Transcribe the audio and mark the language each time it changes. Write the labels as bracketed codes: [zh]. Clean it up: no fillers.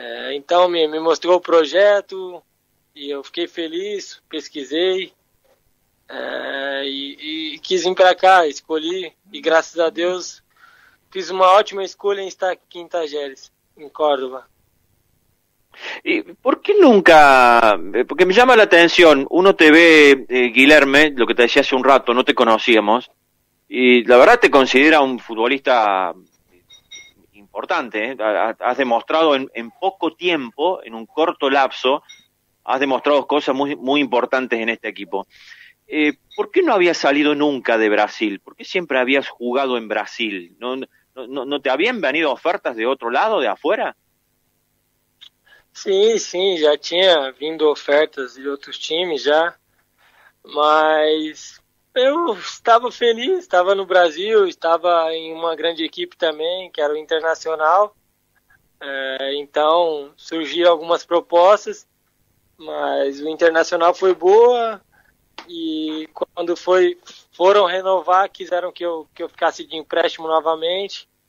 [es] Entonces me mostró el proyecto. [pt] E eu fiquei feliz, pesquisei e quis vir para cá, escolhi. E graças a Deus fiz uma ótima escolha em estar aqui em Talleres, em Córdoba. E por que nunca... Porque me chama a atenção, [es] uno te vê, Guilherme, lo que te decía hace un rato, no te conocíamos, y la verdad te considera un futbolista importante, has demostrado en poco tiempo, en un corto lapso, has demostrado cosas muy, muy importantes en este equipo. ¿Por qué no habías salido nunca de Brasil? ¿Por qué siempre habías jugado en Brasil? ¿No te habían venido ofertas de otro lado, de afuera? Sí, sí, ya [pt] tinha vindo ofertas de otros times ya. Mas eu estava feliz, estava no Brasil, estava em uma grande equipe também, que era o Internacional. Então surgiram algumas propostas, mas o Internacional foi boa e quando foram renovar, quiseram que eu ficasse de empréstimo novamente.